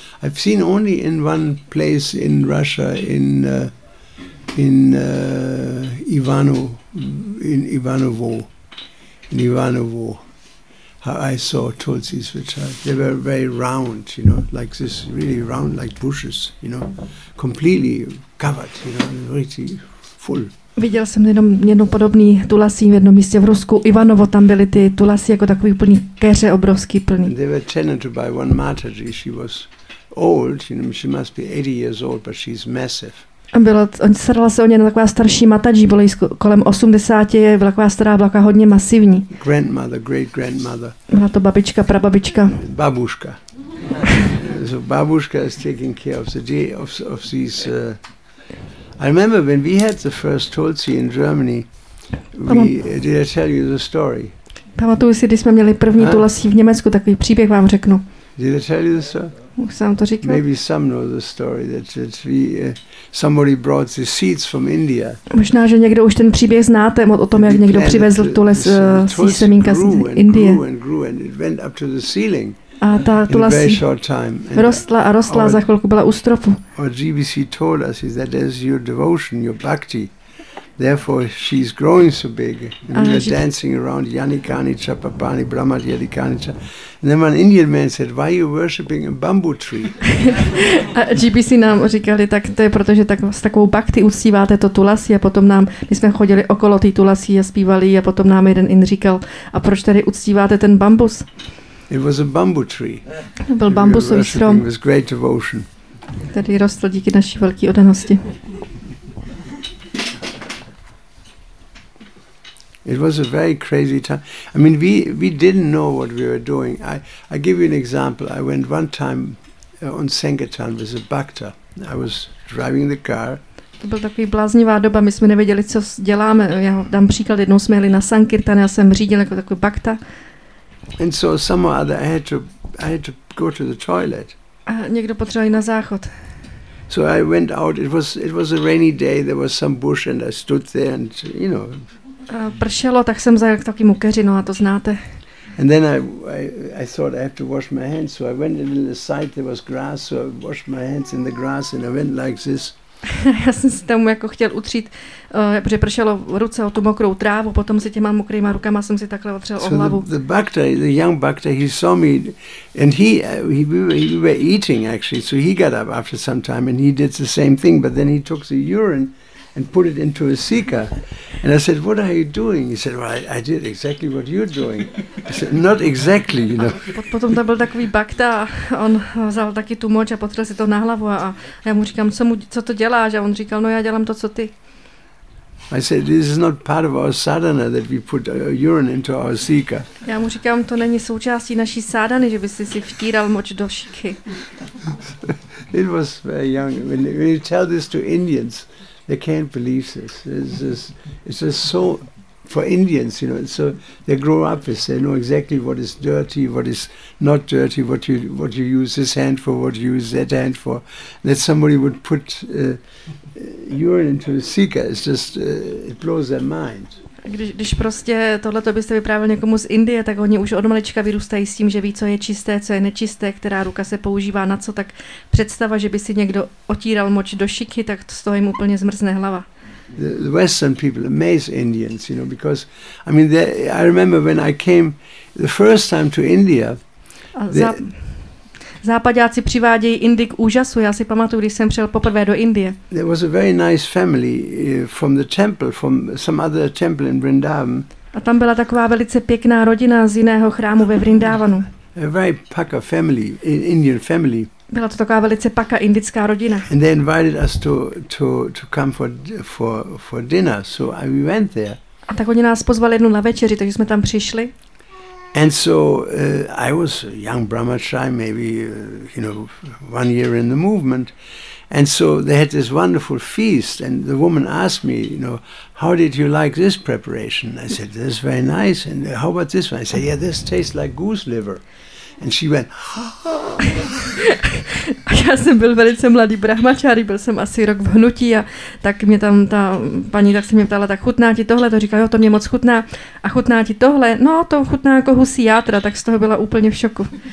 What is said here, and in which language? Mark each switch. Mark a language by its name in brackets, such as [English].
[English] I've seen only in one place in Russia, in Ivanovo, how I saw tulsis, which are, they were very round, you know, like this, really round, like bushes, you know, completely covered, you know, really full. [Czech] Viděl jsem jednou podobný tulasí v jednom místě v Rusku. Ivanovo, tam byly ty tulasí jako takový plný keře, obrovský plný. [English] They were tenanted by one Mataji. She was old, you know, she must be 80 years old, but she's massive. [Czech] Starala se o ně taková starší Mataji, byla jí kolem 80, byla taková stará, byla taková hodně masivní. [English] Grandmother, great grandmother. [Czech] Byla to babička, prababička. [Russian] Babuška. [English] So babuška is taking care of the day of these... I remember when we had the first tulsi in Germany. Did I tell you the story? [Czech] Pamatuju si, když jsme měli první tulasí v Německu, takový příběh vám řeknu. [English] Did I tell you the story? [Czech] Už jsem to říkal. [English] Maybe some know the story that somebody brought the seeds from India. [Czech] Možná, že někdo už ten příběh znáte o tom, jak někdo přivezl tules semínka z Indie. [English] And grew and it went up to the ceiling. [Czech] A ta tulasí rostla a rostla, za chvilku byla u stropu. [English] What GBC told us is that there's your devotion, your bhakti. Therefore she's growing so big. And we were dancing around Yani Kanicha, Papani, Brahmat Yani Kanicha. And then one Indian man said, why are you worshipping a bamboo tree? [Czech] A GBC nám říkali, tak to je proto, že tak, s takovou bhakti uctíváte to tulasí. A potom nám, my jsme chodili okolo té tulasí a zpívali, a potom nám jeden Ind říkal, a proč tady uctíváte ten bambus? [English] It was a bamboo tree. [Czech] Byl bambusový strom. [English] With great devotion. [Czech] Tady rostl díky naší velké oddanosti. [English] It was a very crazy time. I mean, we didn't know what we were doing. I give you an example. I went one time on Sankirtan with a bhakta. I was driving the car. [Czech] To byl takový bláznivá doba, my jsme nevěděli, co děláme. Já dám příklad, jednou jsme jeli na Sankirtan, já jsem řídil jako takový bhakta. [English] And so somehow other I had to go to the toilet. [Czech] A někdo potřeboval jít na záchod. [English] So I went out. It was a rainy day. There was some bush and I stood there and you know. [Czech] A pršelo, tak jsem zajel k takovému keři, no a to znáte. [English] And then I thought I have to wash my hands. So I went in the side. There was grass. So I washed my hands in the grass and I went like this. [Czech] Já jsem si tam jako chtěl utřít, protože pršelo v ruce o tu mokrou trávu, potom si těma mokrýma rukama jsem si takhle otřel o hlavu. [English] The bhakta, the young bhakta, he saw me and we were eating actually, so he got up after some time and he did the same thing, but then he took the urine and put it into a seeker. And I said, what are you doing? He said, well, I did exactly what you're doing. I said, not exactly, you know. [Czech] Potom tam byl takový bakta, on vzal taky tu moč a potřel si to na hlavu a já mu říkám, co to děláš? A on říkal, no já dělám to, co ty. [English] I said, this is not part of our sadhana that we put urine into our seeker. [Czech] Já mu říkám, to není součástí naší sádany, že bys si vtíral moč do šiky. [English] It was very young. When you tell this to Indians, they can't believe this. It's just so for Indians, you know. So they grow up with, they know exactly what is dirty, what is not dirty, what you use this hand for, what you use that hand for. That somebody would put urine into a seeker, it's just it blows their mind. [Czech] Když prostě tohleto byste vyprávěl někomu z Indie, tak oni už od malička vyrůstají s tím, že ví, co je čisté, co je nečisté, která ruka se používá na co, tak představa, že by si někdo otíral moč do šiky, tak z toho jim úplně zmrzne hlava. [English] The Western people amaze Indians, you know, because, I mean, I remember when I came the first time to India. [Czech] Západňáci přivádějí Indy k úžasu. Já si pamatuju, když jsem přijel poprvé do Indie. [English] There was a very nice family from the temple, from some other temple in Vrindavan. [Czech] A tam byla taková velice pěkná rodina z jiného chrámu ve Vrindavanu. [English] A very paka family, Indian family. [Czech] Byla to taková velice paka indická rodina. [English] And they invited us to come for dinner, so we went there. [Czech] A tak oni nás pozvali jednu na večeři, takže jsme tam přišli. [English] And so I was a young brahmachari, maybe you know, 1 year in the movement. And so they had this wonderful feast, and the woman asked me, you know, how did you like this preparation? I said, this is very nice. And how about this one? I said, yeah, this tastes like goose liver. And she went. [Czech] Já jsem byl velice mladý brahmačáry, byl jsem asi rok v hnutí a tak mě tam ta paní tak se mě ptala, tak chutná ti tohle? To říká, jo, to mě moc chutná. A chutná ti tohle? No, to chutná jako husí játra, tak z toho byla úplně v šoku.